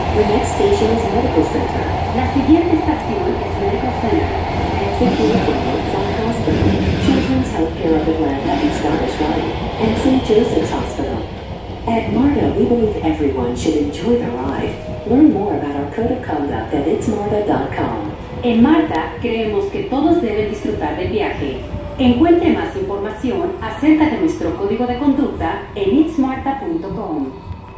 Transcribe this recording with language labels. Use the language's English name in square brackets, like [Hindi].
[English] Next station is Medical Center. [Spanish] La siguiente estación es Medical Center. [English] Exit here from Northside Hospital, Children's Healthcare of Atlanta and Scottish Rite, and St. Joseph's Hospital. At MARTA, we believe everyone should enjoy the ride. Learn more about our code of conduct at itsmarta.com. [Spanish] En MARTA, creemos que todos deben disfrutar del viaje. Encuentre más información acerca de nuestro código de conducta en itsmarta.com.